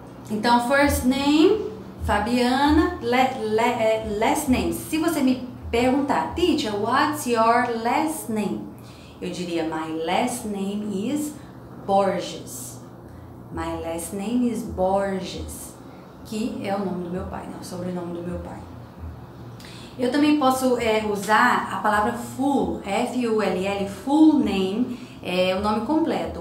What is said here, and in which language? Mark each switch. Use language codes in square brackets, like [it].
[pt] Então, [en] first name, [pt] Fabiana, last name. Se você me [en] perguntar, teacher, what's your last name? [pt] Eu diria, [en] my last name is Borges. My last name is Borges, [pt] que é o nome do meu pai, né? O sobrenome do meu pai. Eu também posso usar a palavra full, F-U-L-L, full name, é o nome completo.